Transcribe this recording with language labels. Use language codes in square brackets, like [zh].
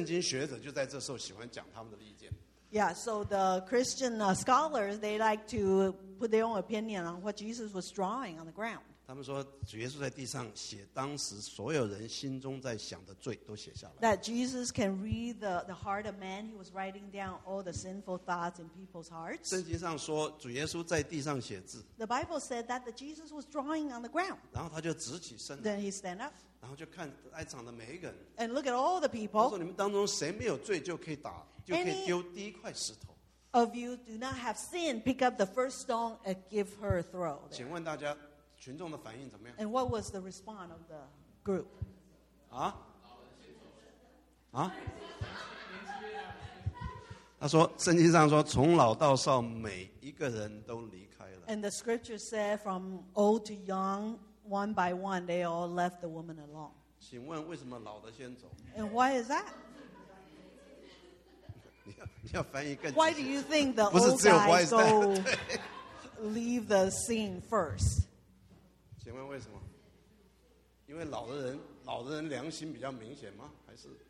[zh] 这样子表示你没在睡觉。圣经学者就在这时候喜欢讲他们的意见。 [en] Yeah, so the Christian scholars, they like to put their own opinion on what Jesus was drawing on the ground. [zh] 他们说主耶稣在地上写当时所有人心中在想的罪都写下来。 [en] That Jesus can read the heart of man, he was writing down all the sinful thoughts in people's hearts. [zh] 圣经上说主耶稣在地上写字。 [en] The Bible said that the Jesus was drawing on the ground. [zh] 然后他就直起身来。 [en] Then he stand up. [zh] 然后就看在场的每一个人。 [en] And look at all the people. [zh] 他说你们当中谁没有罪就可以打，就可以丢第一块石头。 [en] Of you do not have sin, pick up the first stone and give her a throw. [zh] 请问大家群众的反应怎么样? [en] And what was the response of the group? 啊?啊? [zh] 他说, 圣经上说, 从老到少, 每一个人都离开了。 [en] And the scripture said, from old to young, one by one, they all left the woman alone. [zh] 请问为什么老的先走? [en] And why is that? [zh] 你要翻译更仔细, [en] why do you think the old guys go leave the scene first? [zh] 请问为什么? 因为老的人, 老的人良心比较明显吗?还是?